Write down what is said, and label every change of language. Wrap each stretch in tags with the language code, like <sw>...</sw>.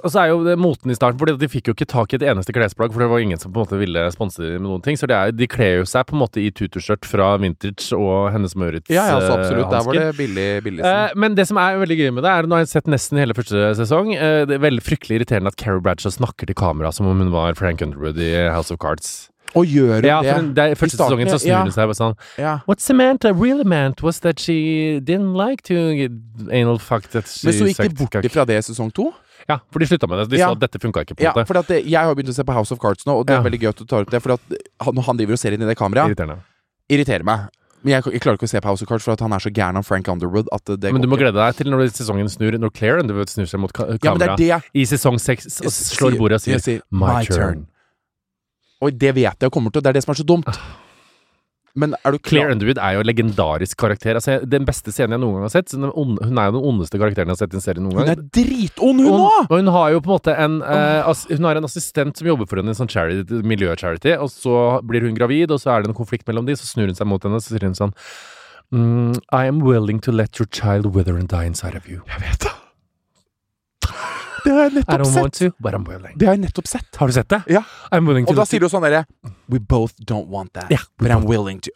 <no>Og så er jo det moten i starten, fordi de fikk jo ikke tak i et eneste klesplagg, for det var ingen som på en måte ville sponse dem med noen ting. Så det er, de kler jo seg på en måte i tutuskjørt fra Vintage og Hennes Møritz. Ja, ja, så absolutt. Hansken. Der var det billig. Men det som er veldig gøy med det, er at nå har jeg sett nesten hele første sesong. Det er veldig fryktelig irriterende at Carrie Bradshaw snakker til kamera som om hun var Frank Underwood i House of Cards. Og gjør ja, det i første starten, sesongen så snur det seg bare sånn ja.</no> <en>What Samantha really meant was that she didn't like to anal fuck that she</en> <no>Men så gikk det bort fra det i sesong 2? Ja, for de sluttet med det, de ja. Sa at dette funket ikke på ja, det Ja, for jeg har begynt å se på House of Cards nå, og det er veldig gøy at du tar opp det For når han driver og ser inn i det kamera Irriterer meg Men jeg klarer ikke å se på House of Cards for at han er så gæren om Frank Underwood at det Men du må glede deg til når sesongen snur, når Claire Underwood snur seg mot kamera Ja, men det er det jeg I sesong 6 og slår bordet og sier</no> <en>My turn.</en> <no>Oi, det vet jeg kommer til, det det som så dumt. Men du klar? Claire Underwood jo en legendarisk karakter. Altså, den beste scenen jeg noen gang har sett, hun jo den ondeste karakteren jeg har sett i en serie noen gang. Hun dritond hun nå! Og hun har jo på en måte en, hun har en assistent som jobber for henne i en sånn charity, miljø-charity, og så blir hun gravid, og så det en konflikt mellom dem, så snur hun seg mot henne, så sier hun sånn,</no> <en>I am willing to let your child wither and die inside of you.</en> <no>Jeg vet det. Det har jeg nettopp sett.</no> <en>I don't want to, but I'm willing.</en> <no>Det har jeg nettopp sett. Har du sett det? Ja.</no> <en>I'm willing to.</en> <no>Og da sier du sånn der,</no> <en>we both don't want that, yeah, but I'm willing to.</en>